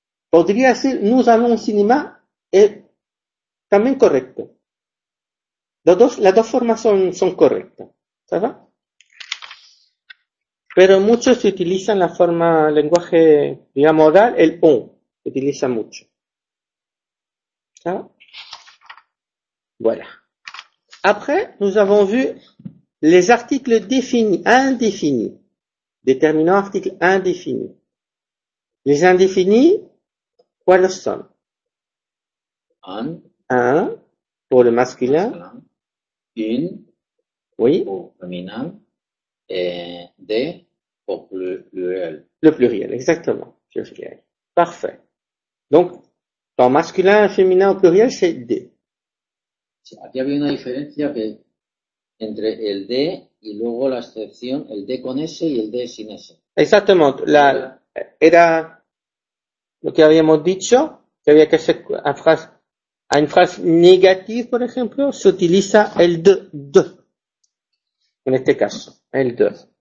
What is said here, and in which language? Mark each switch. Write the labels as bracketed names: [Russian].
[Spanish] Podría decir, [French] nous allons au cinéma, [Spanish] es también correcto. Las dos formas son correctas, ¿sabes? Pero muchos utilizan la forma, lenguaje, digamos, oral, el on, utilizan mucho. ¿Sabes? Voilà. [French] Après, nous avons vu les articles définis, indéfinis, déterminant articles indéfinis. Les indéfinis, quels sont? Un, pour le masculin. Une, oui. Pour le féminin. Et des, pour le pluriel. Le pluriel, exactement. Le pluriel. Parfait. Donc, dans masculin, féminin, au pluriel, c'est des. [Spanish] Si, aquí había una diferencia que entre el D y luego la excepción, el D con S y el D sin S. Exactamente. Era lo que habíamos dicho, que había que hacer una frase negativa, por ejemplo, se utiliza el D, en este caso, el D.